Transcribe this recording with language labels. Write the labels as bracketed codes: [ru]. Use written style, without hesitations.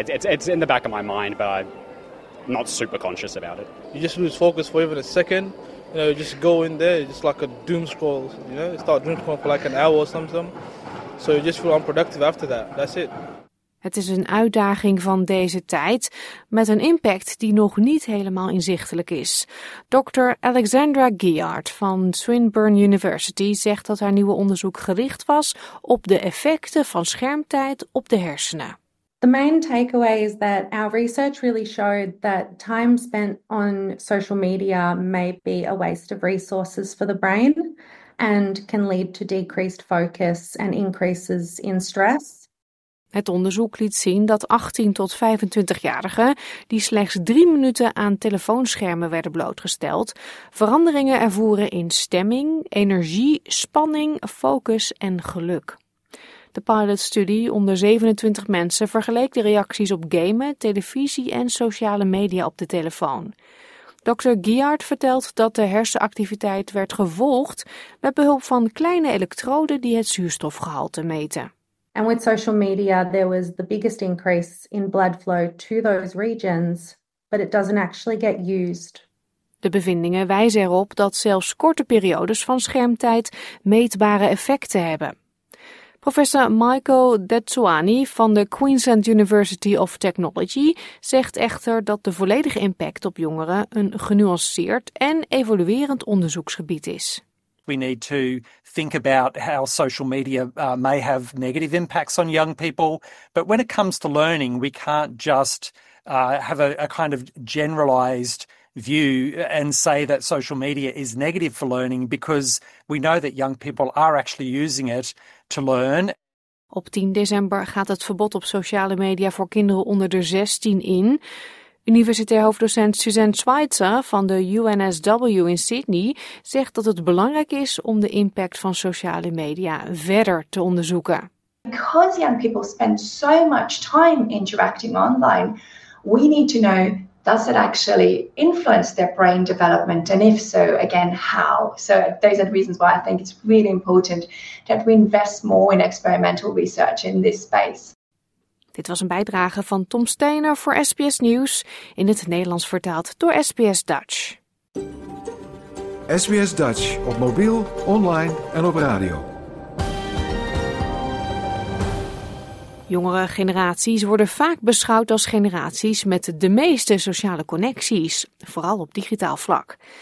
[en] It's in the back of my mind, but I'm not super conscious about it. You just lose focus for even a second. You know, you just go in there, just like a doom scroll. You know, you start doom scrolling for like an hour or something. So you just feel unproductive after that. That's it. [nl] Het is een uitdaging van deze tijd met een impact die nog niet helemaal inzichtelijk is. Dr. Alexandra Guillard van Swinburne University zegt dat haar nieuwe onderzoek gericht was op de effecten van schermtijd op de hersenen. [en] The main takeaway is that our research really showed that time spent on social media may be a waste of resources for the brain and can lead to decreased focus and increases in stress. [nl] Het onderzoek liet zien dat 18 tot 25-jarigen die slechts 3 minuten aan telefoonschermen werden blootgesteld, veranderingen ervoeren in stemming, energie, spanning, focus en geluk. De pilotstudie onder 27 mensen vergeleek de reacties op gamen, televisie en sociale media op de telefoon. Dr. Guillard vertelt dat de hersenactiviteit werd gevolgd met behulp van kleine elektroden die het zuurstofgehalte meten. [en] And with social media, there was the biggest increase in blood flow to those regions, but it doesn't actually get used. [nl] De bevindingen wijzen erop dat zelfs korte periodes van schermtijd meetbare effecten hebben. Professor Michael Detsuani van de Queensland University of Technology zegt echter dat de volledige impact op jongeren een genuanceerd en evoluerend onderzoeksgebied is. [en] We need to think about how social media may have negative impacts on young people. But when it comes to learning, we can't just have a kind of generalized view and say that social media is negative for learning, because we know that young people are actually using it to learn. [nl] Op 10 december gaat het verbod op sociale media voor kinderen onder de 16 in. Universitair hoofddocent Suzanne Schweitzer van de UNSW in Sydney zegt dat het belangrijk is om de impact van sociale media verder te onderzoeken. [en] Because young people spend so much time interacting online, we need to know, does it actually influence their brain development? And if so, again, how? So those are the reasons why I think it's really important that we invest more in experimental research in this space. [nl] Dit was een bijdrage van Tom Steiner voor SBS Nieuws, in het Nederlands vertaald door SBS Dutch. SBS Dutch op mobiel, online en op radio. Jongere generaties worden vaak beschouwd als generaties met de meeste sociale connecties, vooral op digitaal vlak.